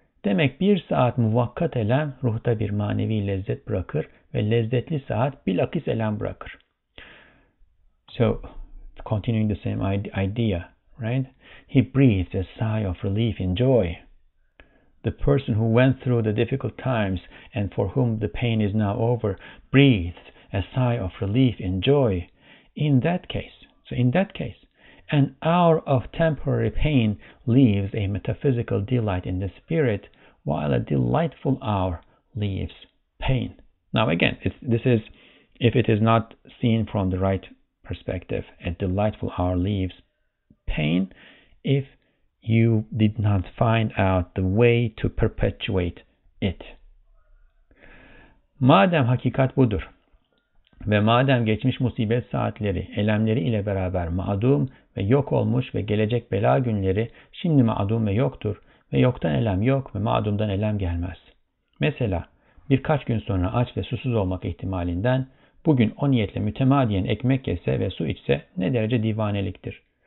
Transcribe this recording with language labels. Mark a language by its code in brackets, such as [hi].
[tr] Demek bir saat muvakkat elem ruhta bir manevi lezzet bırakır ve lezzetli saat bilakis elem bırakır. [en] So, continuing the same idea, right? He breathes a sigh of relief and joy. The person who went through the difficult times and for whom the pain is now over breathes a sigh of relief and joy. In that case, an hour of temporary pain leaves a metaphysical delight in the spirit, while a delightful hour leaves pain. Now again, if it is not seen from the right perspective, a delightful hour leaves pain. If you did not find out the way to perpetuate it. [tr] Madem hakikat budur ve madem geçmiş musibet saatleri elemleri ile beraber ma'dum ve yok olmuş ve gelecek bela günleri şimdi ma'dum ve yoktur ve yoktan elem yok ve ma'dumdan elem gelmez. Mesela birkaç gün sonra aç ve susuz olmak ihtimalinden bugün o niyetle mütemadiyen ekmek yese ve su içse ne derece divaneliktir.